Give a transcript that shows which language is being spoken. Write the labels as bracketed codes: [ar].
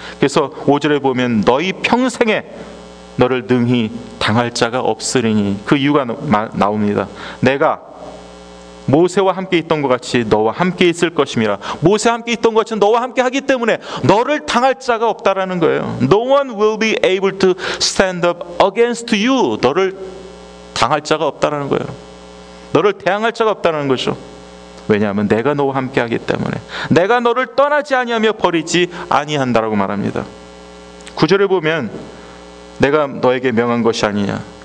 [ko] 그래서 5절에 보면 너희 평생에 너를 능히 당할 자가 없으리니, 그 이유가 나옵니다. 내가 모세와 함께 있던 것 같이 너와 함께 있을 것이라. 모세와 함께 있던 것처럼 너와 함께 하기 때문에 너를 당할 자가 없다라는 거예요. [en] No one will be able to stand up against you. [ko] 너를 당할 자가 없다라는 거예요. 너를 대항할 자가 없다라는 거죠. 왜냐하면 내가 너와 함께 하기 때문에 내가 너를 떠나지 아니하며 버리지 아니한다라고 말합니다. 9절에 보면 내가 너에게 명한 것이 아니냐.